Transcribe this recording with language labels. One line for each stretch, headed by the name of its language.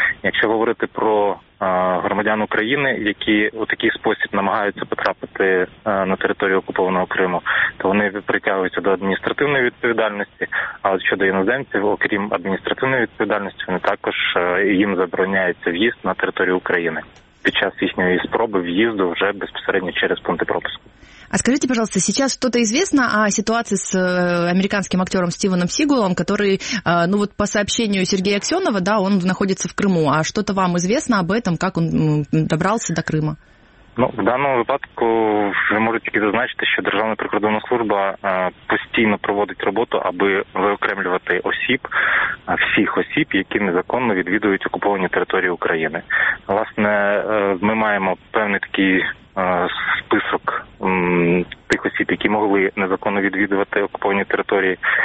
Ukrainian: Якщо говорити про громадян України, які у такий спосіб намагаються потрапити на територію окупованого Криму, то вони притягуються до адміністративної відповідальності, а от щодо іноземців, окрім адміністративної відповідальності, вони також їм забороняється в'їзд на територію України під час їхньої спроби в'їзду вже безпосередньо через пункти пропуску.
Russian: А скажите, пожалуйста, сейчас что-то известно о ситуации с американским актером Стивеном Сигалом, который, ну вот по сообщению Сергея Аксенова, да, он находится в Крыму. А что-то вам известно об этом, как он добрался до Крыма?
Ukrainian: Ну, в даному випадку ви можете тільки зазначити, що Державна прикордонна служба постійно проводить роботу, аби виокремлювати осіб, всіх осіб, які незаконно відвідують окуповані території України. Власне, ми маємо певний такий список тих осіб, які могли незаконно відвідувати окуповані території.